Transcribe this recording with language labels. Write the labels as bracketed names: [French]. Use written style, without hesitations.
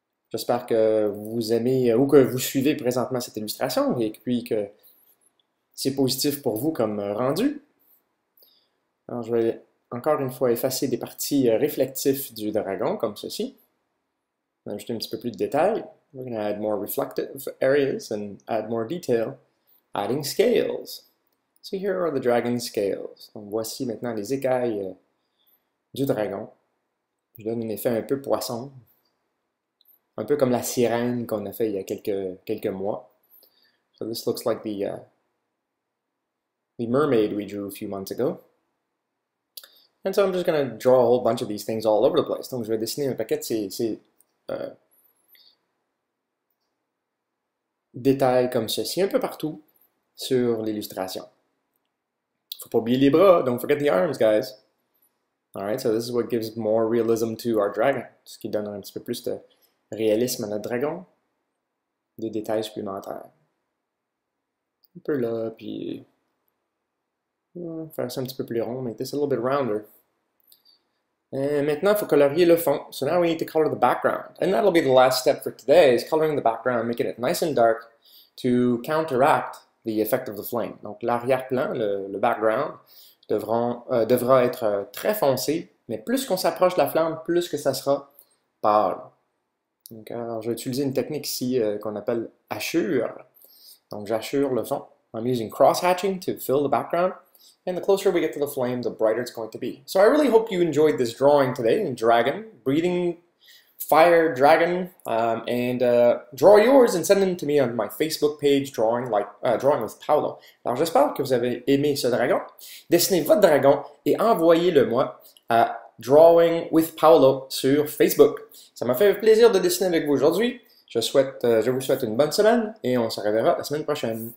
[French] J'espère que vous aimez ou que vous suivez présentement cette illustration et puis que c'est positif pour vous comme rendu. Alors, je vais encore une fois effacer des parties réflectives du dragon, comme ceci. Ajouter un petit peu plus de détails. [English] We're going to add more reflective areas and add more detail, adding scales. So here are the dragon scales. [French] Donc, voici maintenant les écailles du dragon. Je donne un effet un peu poisson. Un peu comme la sirène qu'on a fait il y a quelques mois. [English] So this looks like the mermaid we drew a few months ago. And so I'm just going to draw a whole bunch of these things all over the place. [French] Donc je vais dessiner un paquet de ces détails comme ceci, un peu partout sur l'illustration. Faut pas oublier les bras, [English] don't forget the arms, guys. Alright, so this is what gives more realism to our dragon. [French] Ce qui donne un petit peu plus de réalisme à notre dragon. Des détails supplémentaires. Un peu là, puis... faire ça un petit peu plus rond, [English] make this a little bit rounder. [French] Et maintenant, il faut colorier le fond. [English] So now we need to color the background. And that'll be the last step for today, is coloring the background, making it nice and dark to counteract the effect of the flame. [French] Donc l'arrière-plan, le background, devra être très foncé, mais plus qu'on s'approche de la flamme, plus que ça sera pâle. Donc, alors, je vais utiliser une technique ici qu'on appelle hachure. Donc, j'hachure le fond. [English] I'm using cross-hatching to fill the background. And the closer we get to the flame, the brighter it's going to be. So I really hope you enjoyed this drawing today, dragon, breathing fire dragon, and draw yours and send them to me on my Facebook page, Drawing with Paolo. [French] Alors, j'espère que vous avez aimé ce dragon. Dessinez votre dragon et envoyez-le-moi à Drawing with Paolo sur Facebook. Ça m'a fait plaisir de dessiner avec vous aujourd'hui. Je vous souhaite une bonne semaine et on se reverra la semaine prochaine.